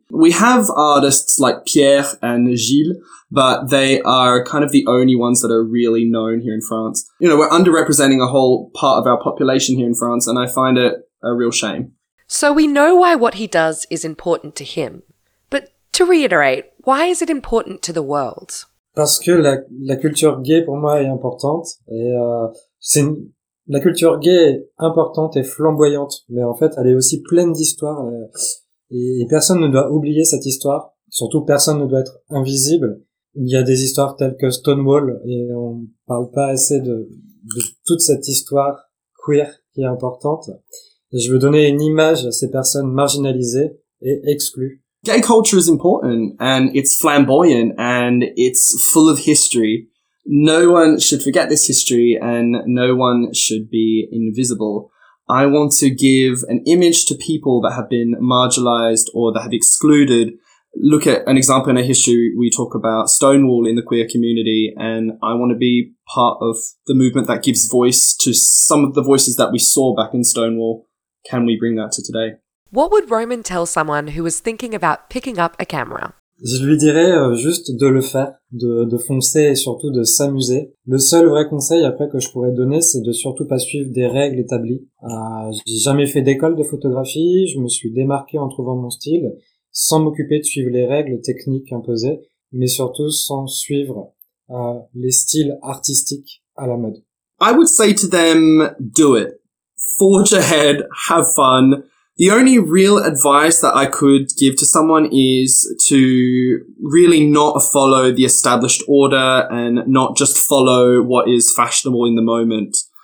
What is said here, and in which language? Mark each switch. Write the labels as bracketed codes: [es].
[en] We have artists like Pierre and Gilles, but they are kind of the only ones that are really known here in France. You know, we're underrepresenting a whole part of our population here in France, and I find it a real shame. So we know why what he does is important to him. But to reiterate, why is it important to the world? [fr] Parce que la culture gay pour moi est importante. Et la culture gay est importante et flamboyante, mais en fait, elle est aussi pleine d'histoire. Et personne ne doit oublier cette histoire. Surtout, personne ne doit être invisible. Il y a des histoires telles que Stonewall, et on parle pas assez de toute cette histoire queer qui est importante. Et je veux donner une image à ces personnes marginalisées et exclues. [en] Gay culture is important, and it's flamboyant, and it's full of history. No one should forget this history, and no one should be invisible. I want to give an image to people that have been marginalized or that have excluded. Look at an example in a history, we talk about Stonewall in the queer community, and I want to be part of the movement that gives voice to some of the voices that we saw back in Stonewall. Can we bring that to today? What would Roman tell someone who was thinking about picking up a camera? [fr] Je lui dirais juste de le faire, de foncer et surtout de s'amuser. Le seul vrai conseil après que je pourrais donner, c'est de surtout pas suivre des règles établies. J'ai jamais fait d'école de photographie, je me suis démarqué en trouvant mon style, sans m'occuper de suivre les règles techniques imposées, mais surtout sans suivre les styles artistiques à la mode. [en] I would say to them, do it. Forge ahead, have fun. The only real advice that I could give to someone is to really not follow the established order and not just follow what is fashionable in the moment.